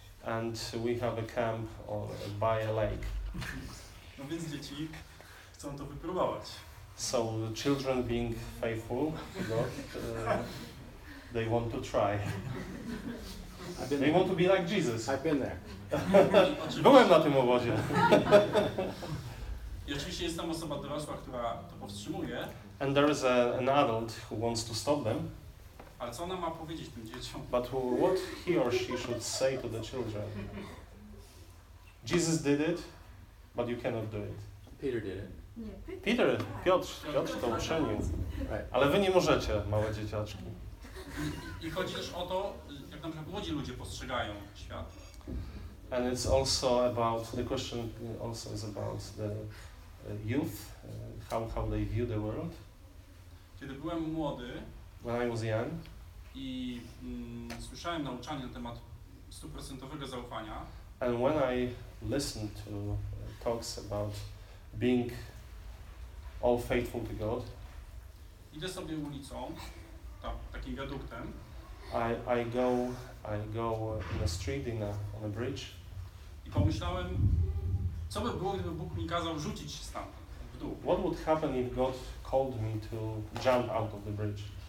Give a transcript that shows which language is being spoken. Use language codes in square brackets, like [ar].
[en] And we have a camp by a lake. [pl] No więc dzieci chcą to wypróbować. [en] So the children being faithful to God, they want to try. They want to be like Jesus. I've been there. [pl] Byłem na tym obozie. I oczywiście jest tam osoba dorosła, która to powstrzymuje. [en] And there is an adult who wants to stop them. [pl] Ale co ona ma powiedzieć tym dzieciom? [en] But what he or she should say to the children? Jesus did it, but you cannot do it. Peter did it. [pl] Peter, Piotr to uczynił. Ale wy nie możecie, małe dzieciaczki. I chodzi też o to, jak na przykład młodzi ludzie postrzegają świat. [en] And it's also about, the question also is about the youth, how they view the world. [pl] Kiedy byłem młody, [en] when I was young, [pl] i słyszałem nauczanie na temat 100% zaufania, [en] and when I listened to talks about being all faithful to God. [pl] Idę sobie ulicą, takim wiaduktem. [en] I go in a street, on a bridge. [pl] I pomyślałem, co by było, gdyby Bóg mi kazał rzucić się tam w dół. [en] What would happen if God called me to jump out of the bridge?